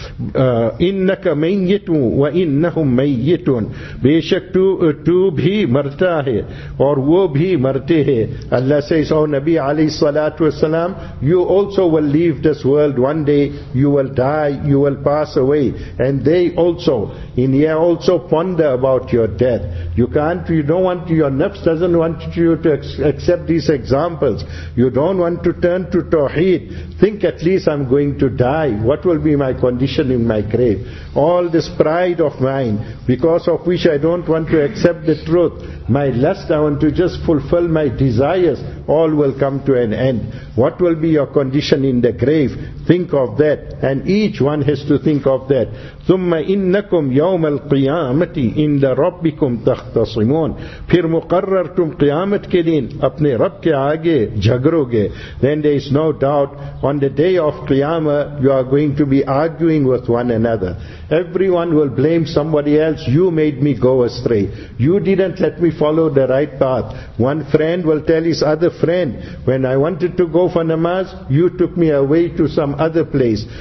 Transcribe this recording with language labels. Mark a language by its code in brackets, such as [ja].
[ar] إِنَّكَ مَيِّتُونَ وَإِنَّهُمْ مَيِّتُونَ [ur] بِيشَكْ تُو بھی مرتا ہے اور وہ بھی مرتے ہے. [en] Allah says, O Nabi alayhi salatu wasalam, you also will leave this world one day, you will die, you will pass away, and they also, in here also ponder about your death. Your nafs doesn't want you to accept these examples. You don't want to turn to Tawheed. Think, at least I'm going to die. What will be my condition in my grave? All this pride of mine, because of which I don't want to accept the truth. My lust, I want to just fulfill my desires. All will come to an end. What will be your condition in the grave? think of that, and each one has to think of that. [ar] ثُمَّ إِنَّكُمْ يَوْمَ الْقِيَامَةِ إِنَّ رَبِّكُمْ تَخْتَصِمُونَ [ur] پھر مقرر تم قیامت کے دن اپنے رب کے آگے جھگڑو گے. [en] Then there is no doubt, on the day of قیامہ you are going to be arguing with one another. Everyone will blame somebody else. You made me go astray. You didn't let me follow the right path. One friend will tell his other friend, when I wanted to go for namaz, you took me away to some other place.